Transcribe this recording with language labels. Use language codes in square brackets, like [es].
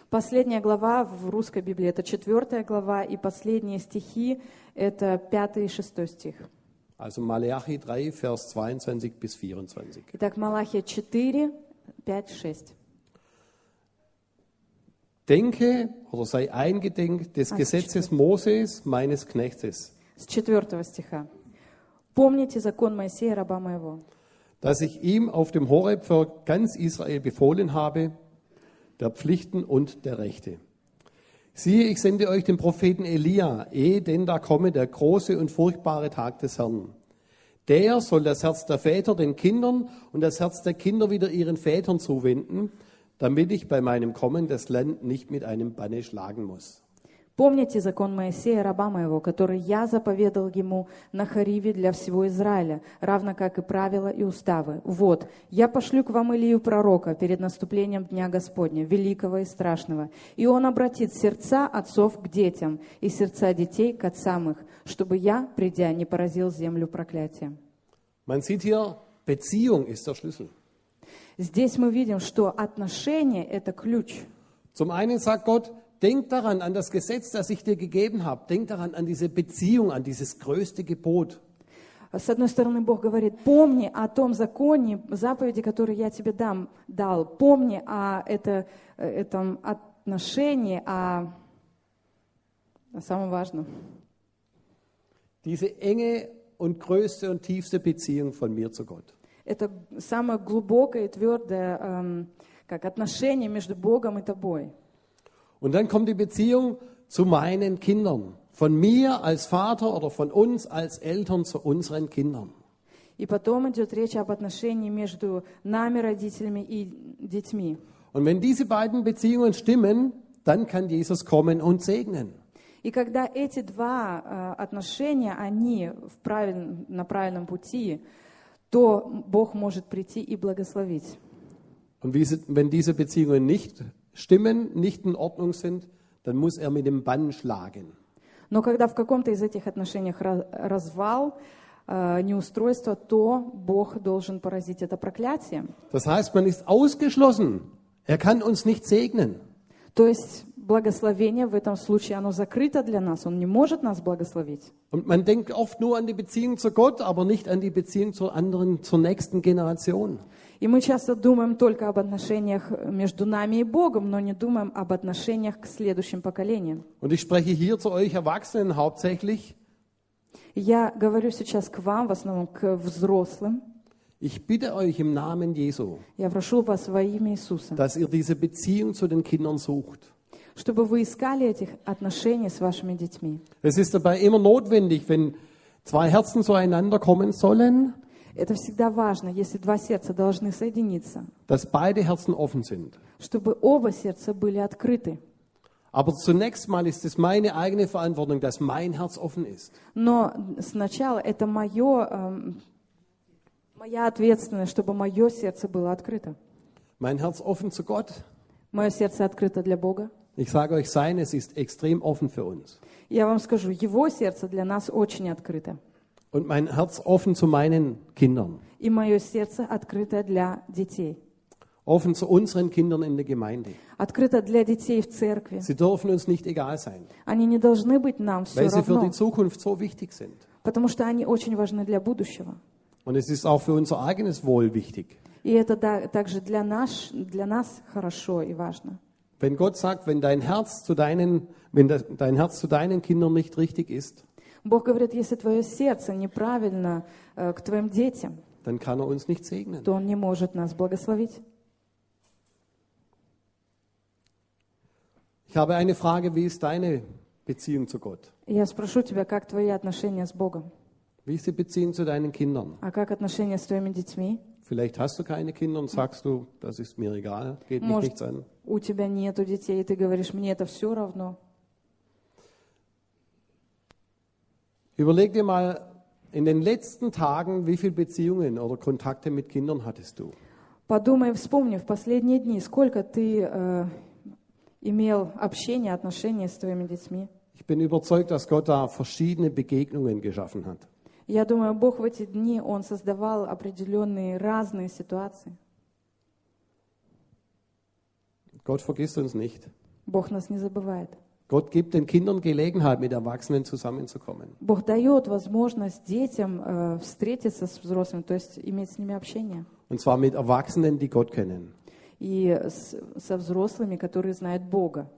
[ru] Последняя глава в русской Библии – это четвертая глава, и последние стихи – это пятый и шестой стих. [de] Also Maleachi 3, Vers 22 bis 24. [ru] Итак, Малахия 4, 5, 6. [de] Denke oder sei eingedenk des Gesetzes Moses, meines Knechtes. [ru] С четвертого стиха. Помните закон Моисея, раба моего. [de] Dass ich ihm auf dem Horeb für ganz Israel befohlen habe, der Pflichten und der Rechte. Siehe, ich sende euch den Propheten Elia, ehe denn da komme der große und furchtbare Tag des Herrn. Der soll das Herz der Väter den Kindern und das Herz der Kinder wieder ihren Vätern zuwenden, damit ich bei meinem Kommen das Land nicht mit einem Banne schlagen muss. [ru] Помните закон Моисея, раба моего, который я заповедал ему на Хариве для всего Израиля, равно как и правила и уставы. Вот, я пошлю к вам Илию пророка перед наступлением Дня Господня, великого и страшного, и он обратит сердца отцов к детям и сердца детей к отцам их, чтобы я, придя, не поразил землю проклятием. [de] Man sieht hier, Beziehung ist der Schlüssel. [ru] Здесь мы видим, что отношение – это ключ. [de] Zum einen sagt Gott, denk daran an das Gesetz, das ich dir gegeben habe. Denk daran an diese Beziehung, an dieses größte Gebot. [ru] С одной стороны, Бог говорит, помни о том законе, заповеди, которые я тебе дал. Помни о этом отношении, о самом важном. [de] Diese enge und größte und tiefste Beziehung von mir zu Gott. [ru] Это самое глубокое и твердое, как отношение между Богом и тобой. [de] Und dann kommt die Beziehung zu meinen Kindern, von mir als Vater oder von uns als Eltern zu unseren Kindern. [ru] И потом идет речь об отношении между нами родителями и детьми. [de] Und wenn diese beiden Beziehungen stimmen, dann kann Jesus kommen und segnen. [ru] И когда эти два отношения они в на правильном пути, то Бог может прийти и благословить. [de] Und wenn diese Beziehungen nicht stimmen, nicht in Ordnung sind, dann muss mit dem Bann schlagen. [ru] Но когда в каком-то из этих отношениях развал, неустройство, то Бог должен поразить это проклятие. [de] Das heißt, man ist ausgeschlossen. Er kann uns nicht segnen. [ru] То есть благословение в этом случае оно закрыто для нас, он не может нас благословить. [de] Und man denkt oft nur an die Beziehung zu Gott, aber nicht an die Beziehung zu anderen, zur nächsten Generation. [ru] И мы часто думаем только об отношениях между нами и Богом, но не думаем об отношениях к следующим поколениям. [de] Und ich spreche hier zu euch Erwachsenen hauptsächlich. [ru] Я говорю сейчас к вам, в основном к взрослым. [de] Ich bitte euch im Namen Jesu. [ru] Я прошу вас во имя Иисуса. [de] Dass ihr diese Beziehung zu den Kindern sucht. [ru] Чтобы вы искали этих отношений с вашими детьми. [de] Es ist dabei immer notwendig, wenn zwei Herzen zueinander kommen sollen. [ru] Это всегда важно, если два сердца должны соединиться. [de] Dass beide Herzen offen sind. [ru] Чтобы оба сердца были открыты. [de] Aber zunächst mal ist es meine eigene Verantwortung, dass mein Herz offen ist. [ru] Но сначала это моя ответственность, чтобы мое сердце было открыто. [de] Mein Herz offen zu Gott. [ru] Мое сердце открыто для Бога. [de] Ich sage euch, seines ist extrem offen für uns. [ru] Я вам скажу, его сердце для нас очень открыто. [de] Und mein Herz offen zu meinen Kindern. [ru] И мое сердце открыто для детей. [de] Offen zu unseren Kindern in der Gemeinde. [ru] Открыто для детей в церкви. [de] Sie dürfen uns nicht egal sein. [ru] Они не должны быть нам все равно. [de] Weil sie für die Zukunft so wichtig sind. [ru] Потому что они очень важны для будущего. [de] Und es ist auch für unser eigenes Wohl wichtig. [ru] И это также для нас хорошо и важно. [de] Wenn Gott sagt, wenn dein Herz zu deinen Kindern nicht richtig ist, [ru] Бог говорит, если твое сердце неправильно к твоим детям, [de] dann kann er uns nicht segnen. [ru] То он не может нас благословить. [de] Ich habe eine Frage, wie ist deine Beziehung zu Gott? [ru] Я спрошу тебя, как твои отношения с Богом? [de] Wie ist die Beziehung zu deinen Kindern? [ru] А как отношения с твоими детьми? [de] Vielleicht hast du keine Kinder und sagst du, das ist mir egal, geht mich nichts an. [ru] У тебя нету детей, и ты говоришь, мне это все равно. [de] Überleg dir mal in den letzten Tagen, wie viele Beziehungen oder Kontakte mit Kindern hattest du? [ru] Подумай, вспомни, в последние дни, сколько ты имел общения, отношения с твоими детьми? [de] Ich bin überzeugt, dass Gott da verschiedene Begegnungen geschaffen hat. [ru] Я думаю, Бог в эти дни он создавал определенные разные ситуации. [de] Gott vergisst uns nicht. [ru] Бог нас не забывает. [de] Gott gibt den Kindern Gelegenheit, mit Erwachsenen zusammenzukommen. [ru] Бог дает возможность детям встретиться с взрослыми, то есть иметь с ними общение. [de] Und zwar mit Erwachsenen, die Gott kennen. [ru] И со взрослыми, которые знают Бога.